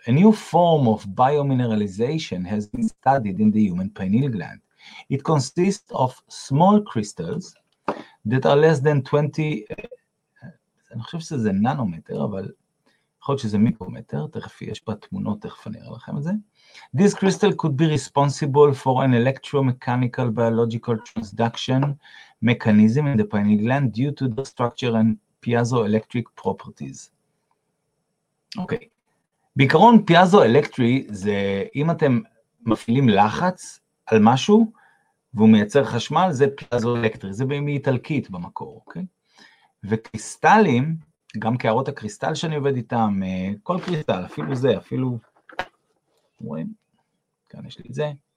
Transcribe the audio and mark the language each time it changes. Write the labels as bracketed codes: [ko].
[en] A new form of biomineralization has been studied in the human pineal gland. It consists of small crystals that are less than 20, [he] אני חושב שזה ננומטר, אבל יכול להיות שזה מיקרומטר, תכף יש פה תמונות, תכף אני אראה לכם את זה. [en] This crystal could be responsible for an electromechanical biological transduction mechanism in the pineal gland due to the structure and piezoelectric properties. [he] אוקיי. בעיקרון פיאזו-אלקטרי זה, אם אתם מפעילים לחץ על משהו, והוא מייצר חשמל, זה פיאזו-אלקטרי, זה במי איטלקית במקור, אוקיי? וקריסטלים, גם קערות הקריסטל שאני עובד איתם, כל קריסטל, אפילו זה, אפילו, רואים? כאן יש לי את זה.